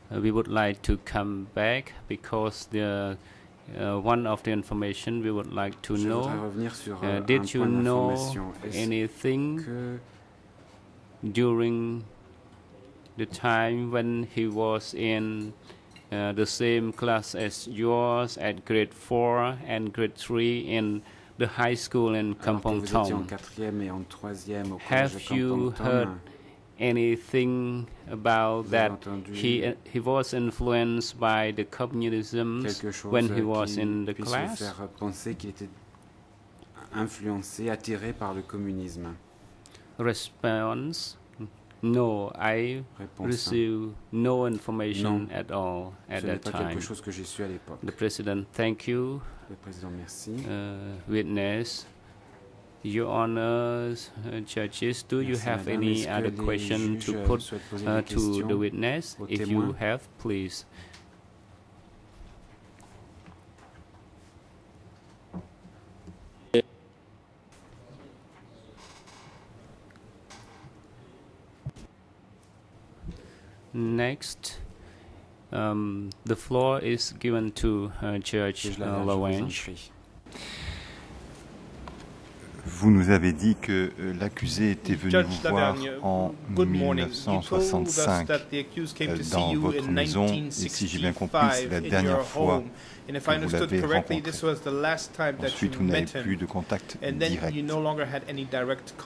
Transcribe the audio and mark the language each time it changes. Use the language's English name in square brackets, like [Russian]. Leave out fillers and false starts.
[English] We would like to come back because the one of the information we would like to know, did you know anything during the time when he was in the same class as yours at grade 4 and grade 3 in the high school in Kampong Thom? Have you heard anything about that he was influenced by the communism when he was in the class? [French] Quelque chose qui puisse faire penser qu'il était influencé, attiré par le communisme. [English] Response. No, I received no information at all at that time. [French] Ce n'est pas quelque chose que j'ai su à l'époque. [English] The President, thank you. [French] Le Président, merci. [English] Witness. Your Honours, judges, do [French] Merci [English] you have [French] Madame, [English] any other question to put to the witness? If You have, please. Yeah. Next, the floor is given to Judge Lawange. [French] Vous nous avez dit que l'accusé était venu vous voir en 1965 dans votre maison, et si j'ai bien compris, c'est la dernière fois que vous l'avez rencontré. Ensuite, vous n'avez plus de contact direct.